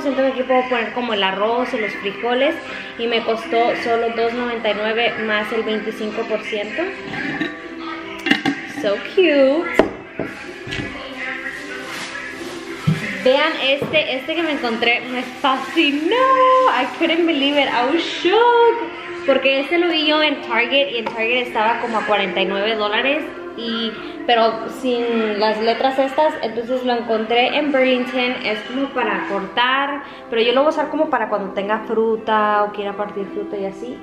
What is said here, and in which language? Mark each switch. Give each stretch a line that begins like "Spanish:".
Spanish: Siento que aquí puedo poner como el arroz y los frijoles. Y me costó solo $2.99 más el 25%.
English: So cute.
Spanish: Vean este, este que me encontré me fascinó.
English: I couldn't believe it, I was shocked.
Spanish: Porque este lo vi yo en Target y en Target estaba como a $49 y, pero sin las letras estas, entonces lo encontré en Burlington. Es como para cortar, pero yo lo voy a usar como para cuando tenga fruta o quiera partir fruta y así.